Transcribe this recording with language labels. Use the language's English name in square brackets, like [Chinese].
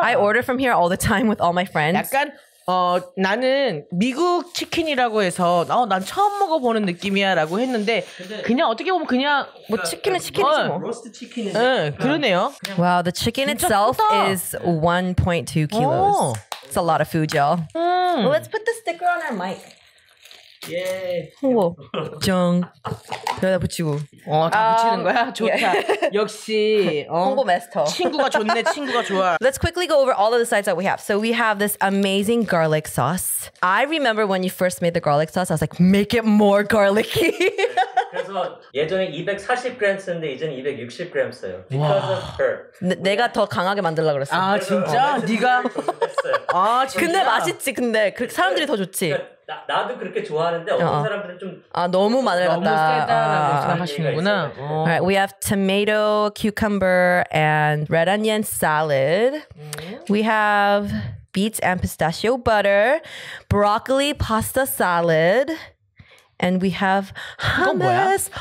[English] I order from here all the time with all my friends. [Korean] 약간 나는 미국 치킨이라고 해서 난 처음 먹어보는 느낌이야 라고 했는데 그냥 어떻게 보면 그냥 뭐 치킨은 치킨이지 뭐 로스트 치킨이지 그러네요 [English] Wow, the chicken itself is 1.2 kilos It's a lot of food, y'all Well, let's put the sticker on our mic [Korean] 예. 우와. 짱. 여기다 붙이고. 어, 다 붙이는 거야? 좋다. [English] Yeah. [Korean] 역시. 홍보 마스터. 친구가 좋네, 친구가 좋아. [English] Let's quickly go over all of the sides that we have. So we have this amazing garlic sauce. I remember when you first made the garlic sauce, I was like, make it more garlicky. [Korean] 그래서 예전에 240g 썼는데 이제는 260g 써요. [English] Because of her. [Korean] 내가 더 강하게 만들려고 그랬어. 아, 진짜? 네가? 아, 진짜? 근데 맛있지, 근데. 사람들이 더 좋지. 나도 그렇게 좋아하는데 어떤 사람들은 좀 아 너무 마늘 같다. 너무 하시는구나. 어. [English] Alright, we have tomato, cucumber, and red onion salad. We have beets and pistachio butter, broccoli pasta salad, and we have hummus.